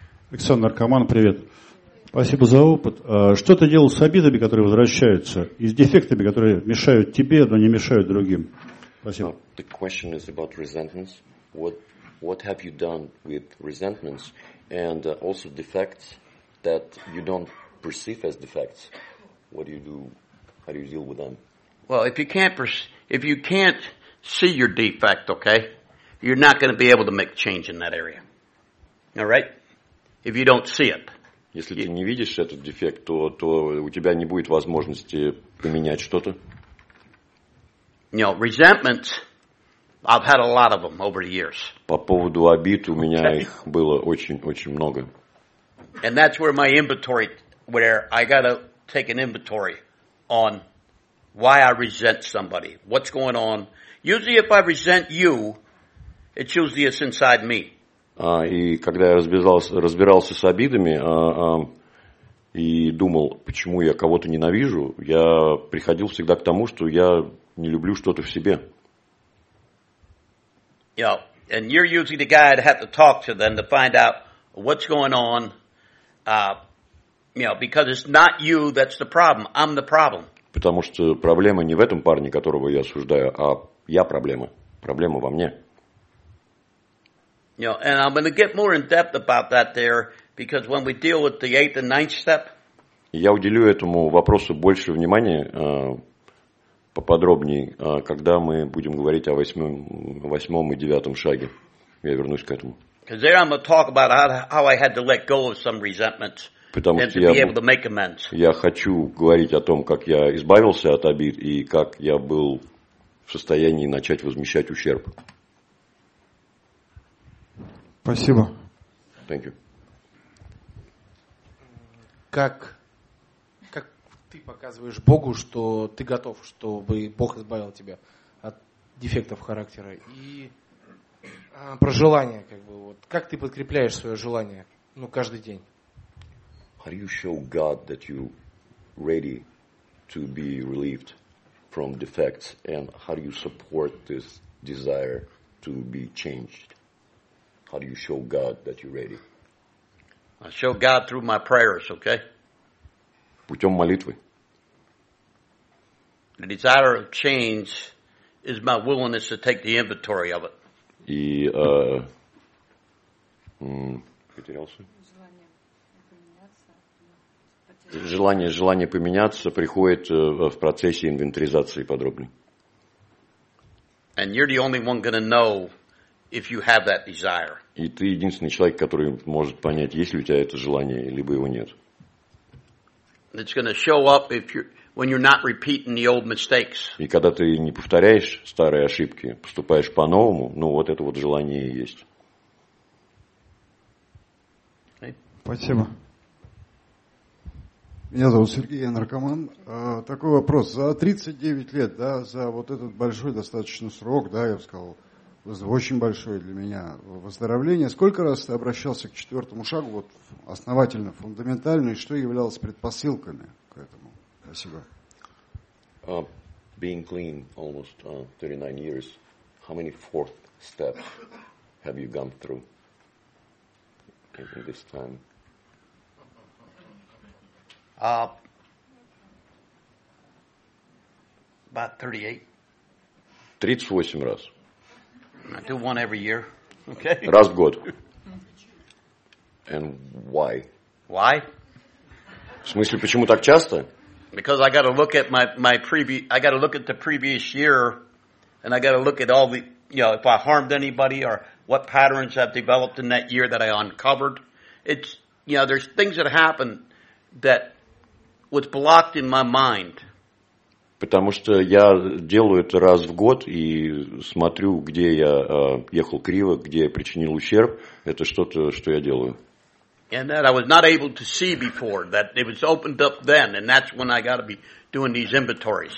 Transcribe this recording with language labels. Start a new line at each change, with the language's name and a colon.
Russian: Александр Карман, привет. Спасибо за опыт. Что ты делал с обидами, которые возвращаются, и с дефектами, которые мешают тебе, но не мешают другим? Спасибо.
English: The question is about resentments. What have you done with resentments and also defects that you don't perceive as defects? What do you do? How do you deal with them? Well, if you can't see your defect, okay, you're not going to be able to make change in that area. All right? If you don't see it.
Russian: Если ты не видишь этот дефект, то у тебя не будет возможности поменять что-то.
English: You know, resentments, I've had a lot of them over the years.
Russian: По поводу обид у меня их было очень-очень много.
English: And that's where my inventory, where I got to take an inventory on why I resent somebody. What's going on? Usually if I resent you, it's usually it's inside me.
Russian: И когда я разбирался с обидами и думал, почему я кого-то ненавижу, я приходил всегда к тому, что я не люблю что-то в себе.
English: You know, and you're usually the guy I'd have to talk to then to find out what's going on, you know, because it's not you that's the problem, I'm the problem.
Russian: Потому что проблема не в этом парне, которого я осуждаю, а я проблема, проблема во мне.
English: You know, and I'm going to get more in depth about that there, because when we deal with the eighth and ninth step.
Russian: Я уделю этому вопросу больше внимания, поподробнее, когда мы будем говорить о восьмом и девятом шаге. Я вернусь к этому.
English: Because there I'm going to talk about how I had to let go of some resentments and to be able to make amends.
Russian: Я хочу говорить о том, как я избавился от обид и как я был в состоянии начать возмещать ущерб. Спасибо.
English: Thank you.
Russian: Как ты показываешь Богу, что ты готов, чтобы Бог избавил тебя от дефектов характера и про желание, как бы вот как ты подкрепляешь свое желание, ну каждый день?
English: How do you show God that you ready to be relieved from defects and how do you support this desire to be changed? How do you show God that you're ready? I show God through my prayers, okay?
Russian: Путем молитвы.
English: The desire of change is my willingness to take the inventory of it.
Russian: И, потерялся? Желание поменяться приходит в процессе инвентаризации подробной.
English: And you're the only one going to know if you have that desire.
Russian: И ты единственный человек, который может понять, есть ли у тебя это желание, либо его нет.
English: It's going to show up if you're, when you're not repeating the old mistakes.
Russian: И когда ты не повторяешь старые ошибки, поступаешь по-новому, ну вот это вот желание и есть. Спасибо. Меня зовут Сергей, я наркоман. Такой вопрос. За 39 лет, да, за вот этот большой достаточно срок, да, я бы сказал, очень большое для меня выздоровление. Сколько раз ты обращался к четвертому шагу, вот основательно, фундаментально, и что являлось предпосылками к этому? Спасибо.
English: Being clean almost 39 years, how many fourth steps have you gone through in this time? Uh, About 38.
Russian: 38 раз.
English: I do one every year. Okay.
Russian: Раз в год.
English: And why? Why?
Russian: В смысле, почему так часто?
English: Because I got to look at my previous, I got to look at the previous year, and I got to look at all the, you know, if I harmed anybody or what patterns have developed in that year that I uncovered. It's, you know, there's things that happen that was blocked in my mind.
Russian: Потому что я делаю это раз в год и смотрю, где я ехал криво, где я причинил ущерб. Это что-то, что я делаю.
English: And that I was not able to see before, that it was opened up then, and that's when I got to be doing these inventories.